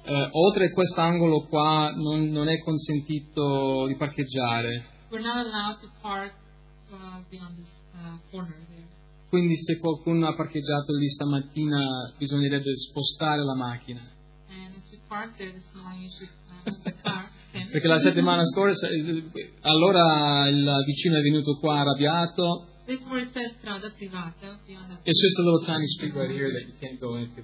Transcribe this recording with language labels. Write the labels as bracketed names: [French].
[Italian] Oltre a quest'angolo qua non è consentito di parcheggiare. [English] We're not allowed to park beyond this corner there. [Italian] Quindi se qualcuno ha parcheggiato lì stamattina bisognerebbe spostare la macchina. [English] And if you park there this morning you should move the car. [Italian] Perché la settimana scorsa allora il vicino è venuto qua arrabbiato. [English] This where it says [Italian] strada privata. [English] It's just a little tiny street right here that you can't go into.